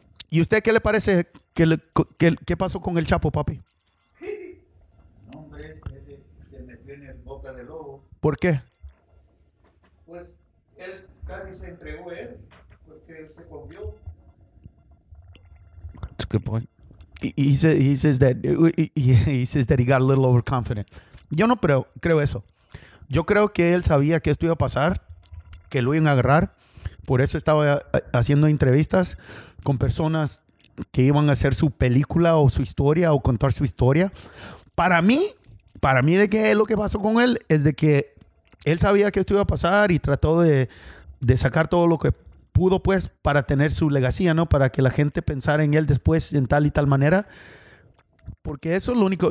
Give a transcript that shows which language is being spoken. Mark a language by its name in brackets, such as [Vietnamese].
[Spanish] ¿Y usted qué le parece qué pasó con el Chapo, papi? No, hombre, se metió en boca de lobo. ¿Por qué? Pues él casi se entregó a él porque él se convió. [English] That's a good point. He says that he got a little overconfident. [Spanish] Yo no creo eso. Yo creo que él sabía que esto iba a pasar, que lo iban a agarrar. Por eso estaba haciendo entrevistas con personas que iban a hacer su película o su historia o contar su historia. Para mí de qué es lo que pasó con él es de que él sabía que esto iba a pasar y trató de sacar todo lo que pudo, pues, para tener su legacía, ¿no? Para que la gente pensara en él después en tal y tal manera. Porque eso es lo único.